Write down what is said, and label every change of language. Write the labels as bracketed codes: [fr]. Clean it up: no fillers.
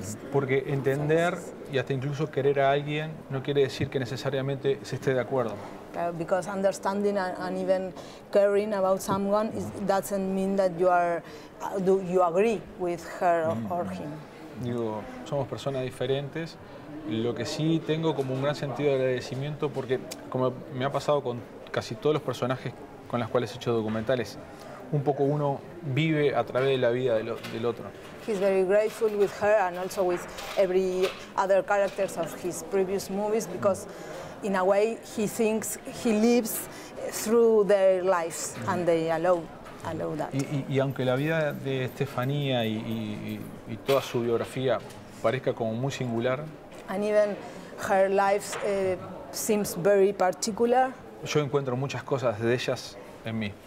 [es] Porque entender y hasta incluso querer a alguien no quiere decir que necesariamente se esté de acuerdo. [en] Because understanding and even caring about someone doesn't mean that you agree with her or him. [es] Digo, somos personas diferentes. Lo que sí tengo como un gran sentido de agradecimiento porque, como me ha pasado con casi todos los personajes con los cuales he hecho documentales, un poco uno vive a través de la vida del otro. [en] He's very grateful with her and also with every other characters of his previous movies because in a way he thinks he lives through their lives and they allow that. [es] Y aunque la vida de Estefanía y toda su biografía parezca como muy singular, [en] and even her life seems very particular, [es] yo encuentro muchas cosas de ellas en mí.